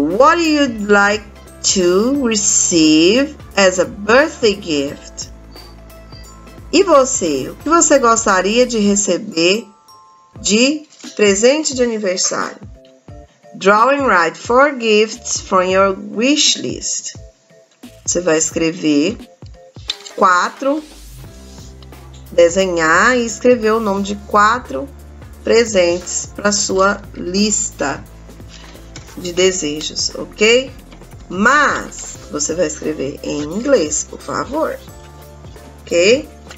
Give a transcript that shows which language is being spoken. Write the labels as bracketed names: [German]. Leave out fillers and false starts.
[English] What do you like to receive as a birthday gift? [Portuguese] E você? O que você gostaria de receber de presente de aniversário? [English] Draw and write 4 gifts from your wish list. [Portuguese] Você vai escrever 4, desenhar e escrever o nome de 4 presentes para sua lista de desejos, ok? Mas você vai escrever em inglês, por favor, ok?